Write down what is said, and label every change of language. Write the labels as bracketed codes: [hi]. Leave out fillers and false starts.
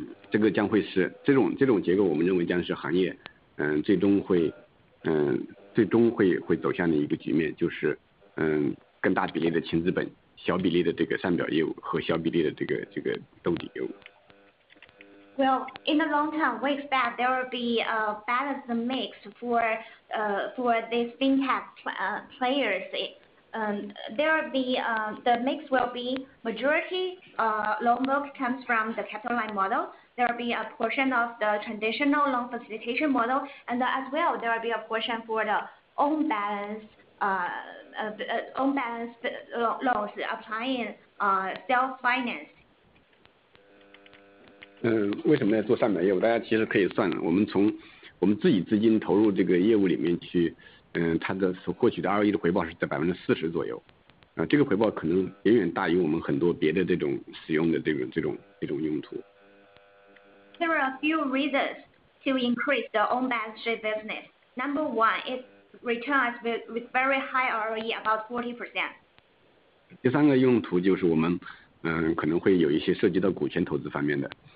[zh] 这个将会是这种结构，我们认为将是行业最终会走向的一个局面，就是更大比例的轻资本，小比例的这个三表业务和小比例的这个兜底业务。 [en] Well, in the long term, we expect there will be a balanced mix for these fintech players. The mix will be majority loan book comes from the capital line model. There will be a portion of the traditional loan facilitation model, and as well, there will be a portion for the own balance loans applying self finance. [zh] 为什么要做三百业务？大家其实可以算了，我们自己资金投入这个业务里面去，它的所获取的 ROE 的回报是在40%左右，这个回报可能远远大于我们很多别的这种使用的这种用途。 [en] There are a few reasons to increase the own balance sheet business. Number one, it returns with very high ROE, about 40%. [zh] 第三个用途就是我们，可能会有一些涉及到股权投资方面的。